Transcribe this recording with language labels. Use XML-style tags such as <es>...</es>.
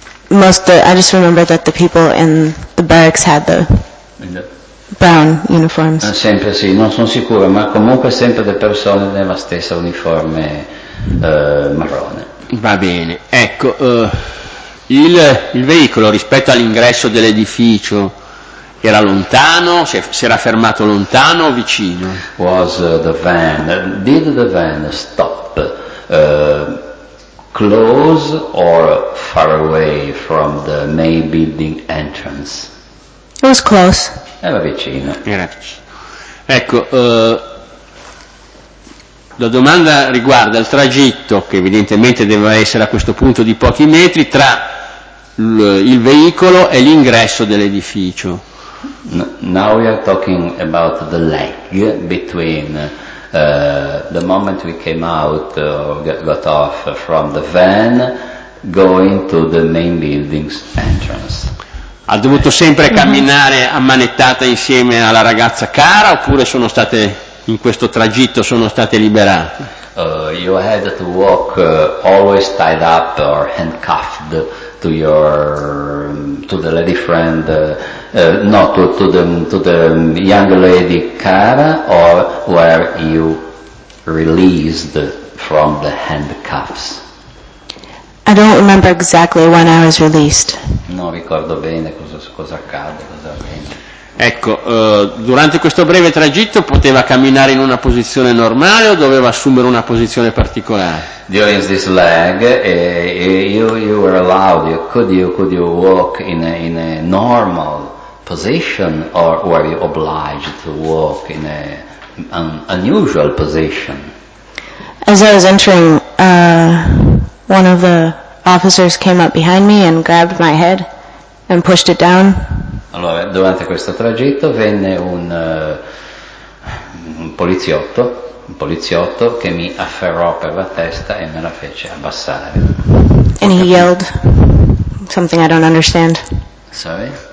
<en>I just remember that the people in the barracks had the brown uniforms.</en> <it>Sempre sì, non sono sicuro, ma comunque sempre le persone nella stessa uniforme marrone. Va bene, ecco, il veicolo rispetto all'ingresso dell'edificio era lontano, si era fermato lontano o vicino?</it> <en>Was the van, did the van stop? Close or far away from the main building entrance? It was close.</en> <it>Era vicino. Era vicino. Ecco, la domanda riguarda il tragitto, che evidentemente deve essere a questo punto di pochi metri, tra il veicolo e l'ingresso dell'edificio.</it> <en>Now we are talking about the lag between the moment we came out or got off from the van going to the main building's entrance.</en> <it>Ha dovuto sempre camminare ammanettata insieme alla ragazza cara, oppure sono state in questo tragitto sono state liberate?</it> <en>You had to walk always tied up or handcuffed to the lady friend, to the young lady cara, or were you released from the handcuffs? I don't remember exactly when I was released.</en> <it>Non ricordo bene cosa accade, cosa avviene. Ecco, durante questo breve tragitto poteva camminare in una posizione normale o doveva assumere una posizione particolare?</it> <en>During this leg, you were allowed, could you walk in a normal position, or were you obliged to walk in an unusual position? As I was entering, one of the officers came up behind me and grabbed my head and pushed it down.</en> <it>Allora, durante questo tragitto venne un poliziotto che mi afferrò per la testa e me la fece abbassare.</it> <en>And he yelled something I don't understand. Sorry?</en>